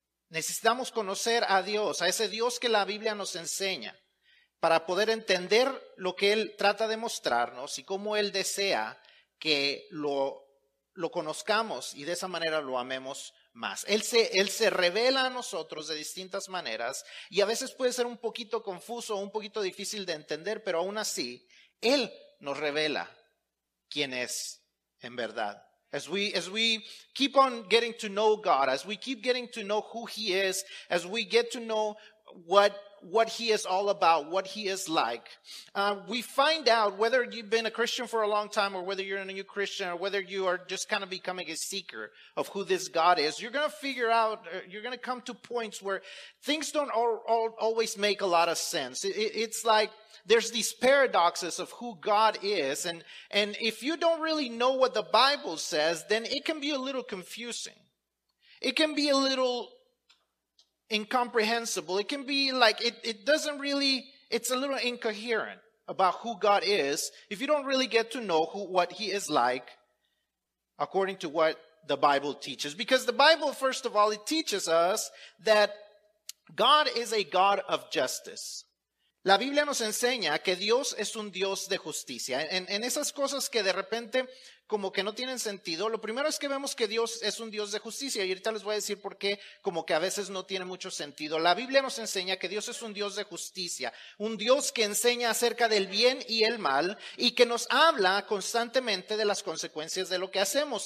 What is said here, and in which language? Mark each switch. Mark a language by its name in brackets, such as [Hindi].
[Spanish] Necesitamos conocer a Dios, a ese Dios que la Biblia nos enseña, para poder entender lo que Él trata de mostrarnos y cómo Él desea que lo conozcamos, y de esa manera lo amemos más. Él se revela a nosotros de distintas maneras, y a veces puede ser un poquito confuso o un poquito difícil de entender, pero aún así Él nos revela quién es en verdad. [English] As we keep on getting to know God, as we keep getting to know who He is, as we get to know what He is all about, what He is like, we find out, whether you've been a Christian for a long time or whether you're a new Christian or whether you are just kind of becoming a seeker of who this God is, you're going to figure out, you're going to come to points where things don't always make a lot of sense. It's like there's these paradoxes of who God is. And if you don't really know what the Bible says, then it can be a little confusing. It can be a little incomprehensible. It can be like it doesn't really, it's a little incoherent about who God is if you don't really get to know what He is like according to what the Bible teaches. Because the Bible, first of all, it teaches us that God is a God of justice. [Spanish] La Biblia nos enseña que Dios es un Dios de justicia. En esas cosas que de repente como que no tienen sentido, lo primero es que vemos que Dios es un Dios de justicia. Y ahorita les voy a decir por qué como que a veces no tiene mucho sentido. La Biblia nos enseña que Dios es un Dios de justicia, un Dios que enseña acerca del bien y el mal, y que nos habla constantemente de las consecuencias de lo que hacemos.